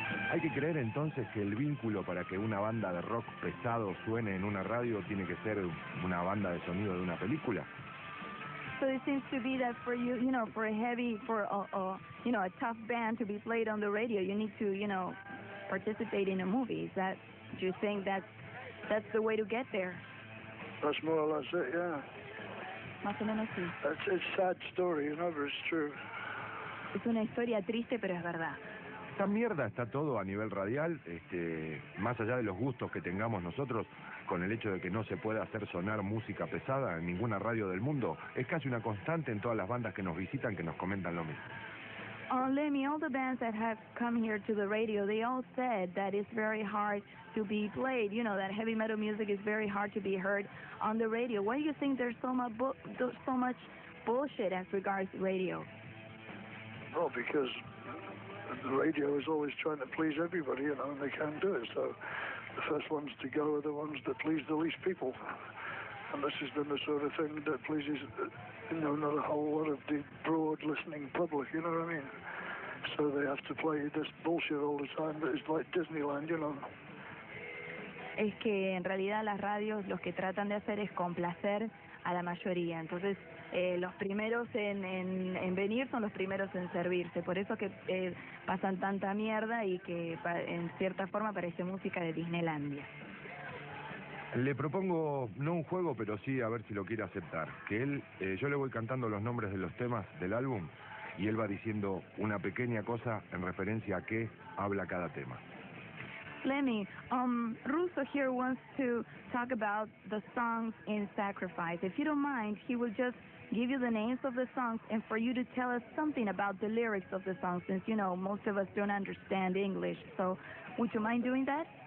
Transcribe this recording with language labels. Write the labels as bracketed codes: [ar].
[es] Hay que creer entonces que el vínculo para que una banda de rock pesado suene en una radio tiene que ser una banda de sonido de una película. [en] So it seems to be that for you, you know, for a heavy, for a tough band to be played on the radio, you need to, you know, participate in a movie. Is that, do you think that's the way to get there? That's more or less it, yeah. [es] Más o menos sí. [en] That's a sad story, you know, but it's true. [es] Es una historia triste, pero es verdad. Esta mierda está todo a nivel radial, más allá de los gustos que tengamos nosotros con el hecho de que no se pueda hacer sonar música pesada en ninguna radio del mundo, es casi una constante en todas las bandas que nos visitan que nos comentan lo mismo. [en] Lemmy, all the bands that have come here to the radio, they all said that it's very hard to be played, you know, that heavy metal music is very hard to be heard on the radio. Why do you think there's so much bullshit as regards radio? Well, because the radio is always trying to please everybody, you know, and they can't do it. So the first ones to go are the ones that please the least people. And this has been the sort of thing that pleases, you know, not a whole lot of the broad listening public, you know what I mean? So they have to play this bullshit all the time that is like Disneyland, you know? [es] Es que en realidad las radios lo que tratan de hacer es complacer a la mayoría. Entonces, los primeros en venir son los primeros en servirse. Por eso que pasan tanta mierda y que en cierta forma parece música de Disneylandia. Le propongo, no un juego, pero sí a ver si lo quiere aceptar. Que él, yo le voy cantando los nombres de los temas del álbum y él va diciendo una pequeña cosa en referencia a qué habla cada tema. [en] Lemmy, Russo here wants to talk about the songs in Sacrifice. If you don't mind, he will just give you the names of the songs and for you to tell us something about the lyrics of the songs, since, you know, most of us don't understand English. So, would you mind doing that?